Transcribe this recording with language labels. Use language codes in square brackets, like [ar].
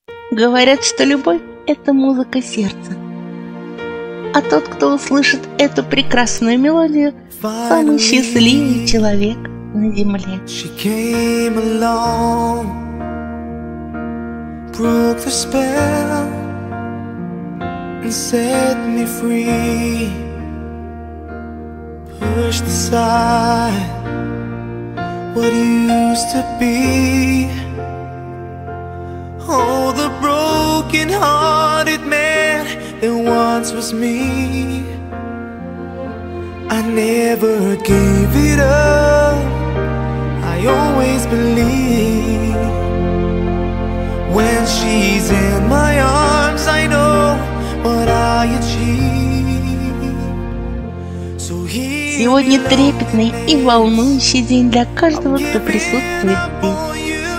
[ru] Говорят, что любовь – это музыка сердца. А тот, кто услышит эту прекрасную мелодию, самый счастливый человек на земле. [en] She came along, broke the spell, and set me free. Pushed aside what used to be. Oh, the broken-hearted man that once was me. I never gave it up, I always believed. When she's in my arms, I know what I achieved. So here [ru] сегодня трепетный и волнующий день для каждого, кто присутствует здесь.